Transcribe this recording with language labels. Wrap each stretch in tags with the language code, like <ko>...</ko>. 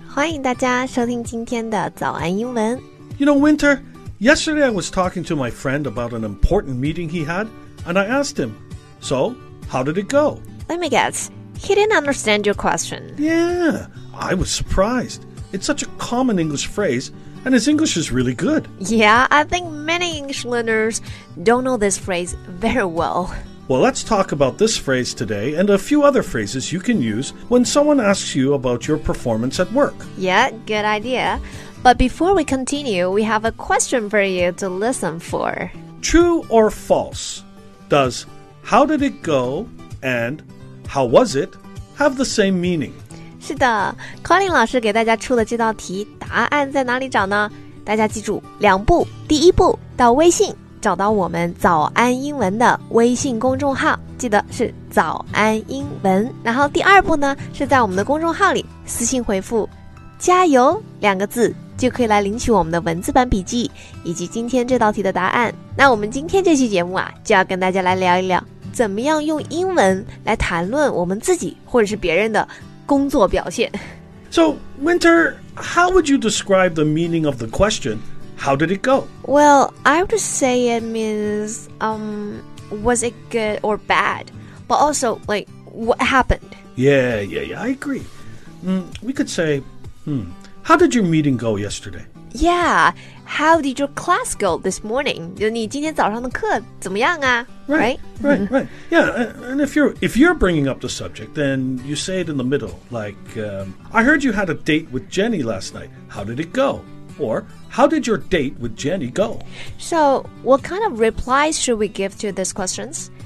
<zh>欢迎大家收听今天的早安英文。</zh> <en>You know, Winter, yesterday I was talking to my friend about an important meeting he had, and I asked him, so, how did it go? Let me guess, he didn't understand your question. Yeah, I was surprised. It's such a common English phrase, and his English is really good. Yeah, I think many English learners don't know this phrase very well. Well, let's talk about this phrase today and a few other phrases you can use when someone asks you about your performance at work. Yeah, good idea. But before we continue, we have a question for you to listen for. True or false? Does how did it go and how was it have the same meaning?</en> <zh>是的 ,Colin 老师给大家出了这道题,答案在哪里找呢? 大家记住,两步,第一步,到微信。找到我们早安英文的微信公众号，记得是早安英文。然后第二步呢，是在我们的公众号里私信回复加油两个字，就可以来领取我们的文字版笔记以及今天这道题的答案。那我们今天这期节目啊，就要跟大家来聊一聊怎么样用英文来谈论我们自己或者是别人的工作表现。</zh> <en>So Winter, how would you describe the meaning of the questionHow did it go? Well, I would say it means, was it good or bad? But also, like, what happened? Yeah, I agree. We could say, how did your meeting go yesterday? Yeah, how did your class go this morning?</en> <zh>就你今天早上的课怎么样啊?</zh> <en>Right. Yeah, and if you're bringing up the subject, then you say it in the middle, like, I heard you had a date with Jenny last night. How did it go? Or, how did your date with Jenny go? So, what kind of replies should we give to these questions?</en>